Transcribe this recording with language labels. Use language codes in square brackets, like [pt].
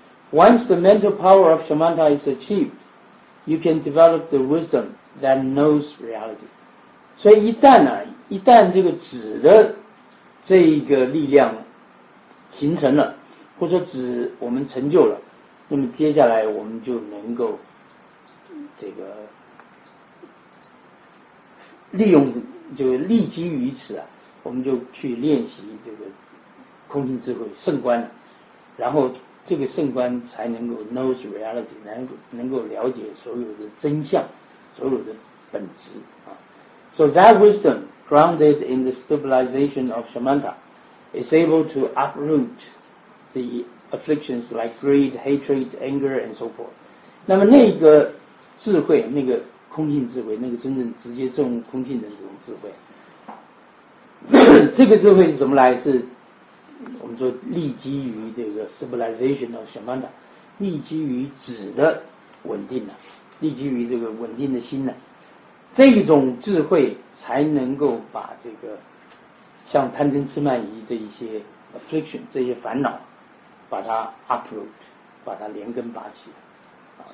[en] Once the mental power of Shamatha is achieved, you can develop the wisdom that knows reality. [zh] 所以一旦呢、啊，一旦这个止的这一个力量形成了，或者止我们成就了，那么接下来我们就能够这个利用，就立基于此啊，我们就去练习这个空性智慧圣观，然后这个圣观才能够 [en] knows reality， [zh] 能够了解所有的真相，所有的本质啊。 [en] So that wisdom grounded in the stabilization of Shamatha is able to uproot the afflictions like greed, hatred, anger, and so forth。 [zh] 那么那个智慧，那个空性智慧，那个真正直接证悟空性的这种智慧这个智慧是怎么来？是我们说立基于这个 [en] stabilization of Shamatha， [zh] 立基于止的稳定呢、啊，立基于这个稳定的心呢、啊，这种智慧才能够把这个像贪嗔痴慢疑这一些 affliction 这些烦恼，把它 uproot， 把它连根拔起啊。